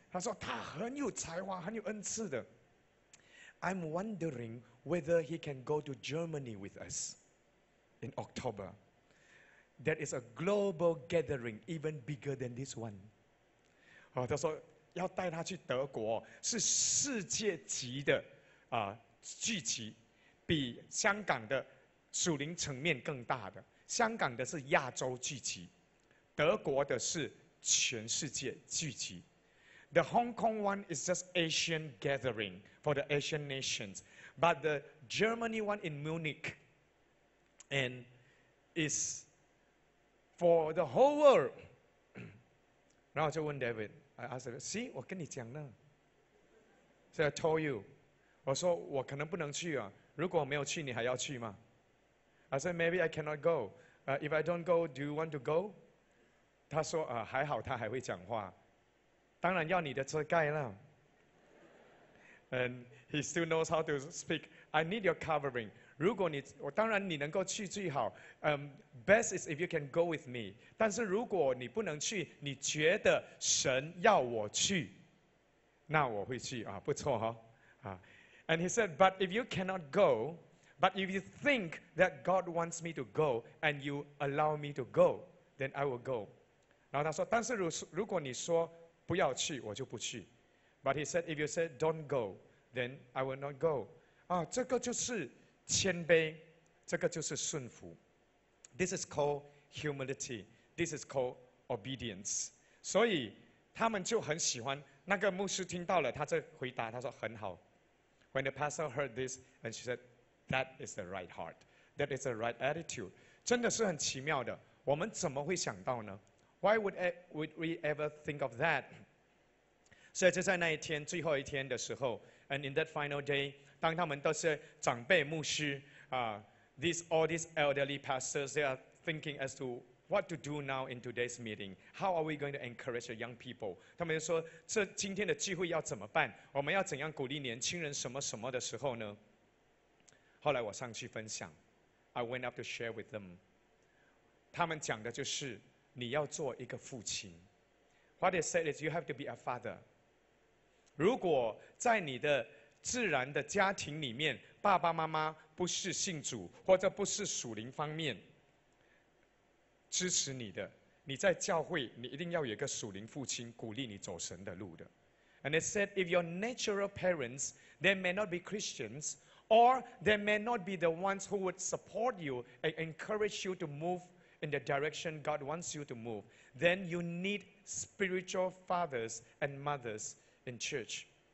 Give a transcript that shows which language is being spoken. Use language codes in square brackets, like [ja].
[zh] 他说他很有才华, 很有恩赐的。 [en] I'm wondering whether he can go to Germany with us in October. There is a global gathering even bigger than this one. [zh] 他说, 要带他去德国, 是世界级的, 聚集, 比香港的属灵层面更大的, 香港的是亚洲聚集, 德国的是全世界聚集。 [en] The Hong Kong one is just Asian gathering for the Asian nations, but the Germany one in Munich and is for the whole world. [zh] 然后就问 David, [en] I asked him, see, [zh] 我跟你讲呢。 [en] So I told you, [zh] 我说我可能不能去啊, 如果我没有去你还要去吗? [en] I said, maybe I cannot go. If I don't go, do you want to go? [zh] 他说, 还好他还会讲话, 当然要你的遮盖了。 [en] And he still knows how to speak. I need your covering. [zh] 如果你, 当然你能够去最好, [en] best is if you can go with me. [zh] 但是如果你不能去, 你觉得神要我去, 那我会去, 啊, 不错, 哦, 啊。 [en] And he said, but if you cannot go, but if you think that God wants me to go, and you allow me to go, then I will go. [zh] 然后他说，但是如果你说不要去，我就不去。 [en] But he said, if you said don't go, then I will not go. [zh] 啊，这个就是谦卑，这个就是顺服。 [en] This is called humility. This is called obedience. [zh] 所以他们就很喜欢，那个牧师听到了，他就回答，他说很好。 [en] When the pastor heard this, and she said, that is the right heart. That is the right attitude. [zh] 真的是很奇妙的，我们怎么会想到呢？ [en] Why would we ever think of that? [zh] 所以就在那一天，最后一天的时候 [en] ，and in that final day， [zh] 当他们都是长辈牧师啊、， [en] these all these elderly pastors， they are thinking as to what to do now in today's meeting. How are we going to encourage the young people? [zh] 他们就说，这今天的聚会要怎么办？我们要怎样鼓励年轻人什么什么的时候呢？后来我上去分享 ， [en] I went up to share with them。 [zh] 他们讲的就是。你要做一个父亲。 [en] What they said is you have to be a father. [zh] 如果在你的自然的家庭里面，爸爸妈妈不是信主，或者不是属灵方面支持你的，你在教会你一定要有一个属灵父亲鼓励你走神的路的。 [en] And they said if your natural parents, they may not be Christians, or they may not be the ones who would support you and encourage you to move in the direction God wants you to move, then you need spiritual fathers and mothers in church.